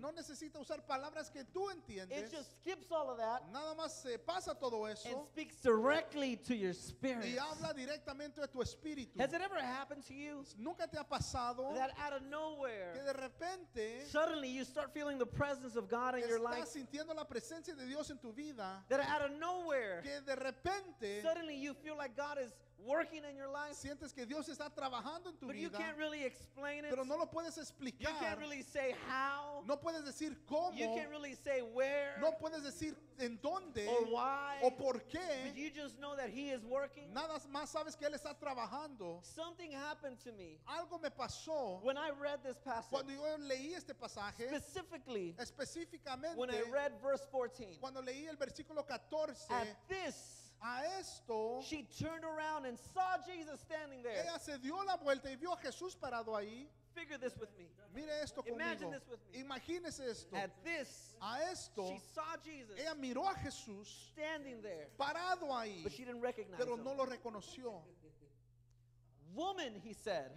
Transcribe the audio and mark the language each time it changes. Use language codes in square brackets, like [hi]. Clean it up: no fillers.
[es] No necesita usar palabras que tú entiendes. [en] It just skips all of that. [es] Nada más se pasa todo eso. [en] And speaks directly to your spirit. [es] Y habla directamente a tu espíritu. [en] Has it ever happened to you? [es] Nunca te ha pasado. [en] That out of nowhere, [es] que de repente, [en] suddenly you start feeling the presence of God in your life. [es] Estás sintiendo la presencia de Dios en tu vida. [en] That out of nowhere, [es] que de repente, [en] suddenly you feel like God is working in your life. [es] Sientes que Dios está trabajando en tu [en] but [es] vida, [en] you can't really explain it. [es] Pero no lo puedes explicar. [en] You can't really say how. [es] No puedes decir cómo. [en] You can't really say where. [es] No puedes decir en dónde. [en] Or why. [es] O por qué. [en] But you just know that he is working. [es] Nada más sabes que él está trabajando. [en] Something happened to me. [es] Algo me pasó. [en] When I read this passage. [es] Cuando yo leí este pasaje. [en] Specifically. [es] Específicamente. [en] When I read verse 14. [es] Cuando leí el versículo 14. [en] At this. [es] A esto, [en] she turned around and saw Jesus standing there. [es] Ella se dio la vuelta y vio a Jesús parado ahí. [en] Figure this with me. [es] Mire esto conmigo. [en] Imagine this with me. [es] Imagínese esto. [en] At this, [es] a esto, [en] she saw Jesus. [es] Ella miró a Jesús [en] standing there. [es] Parado ahí. [en] But she didn't recognize him. [es] Pero no lo reconoció. [en] Woman, he said.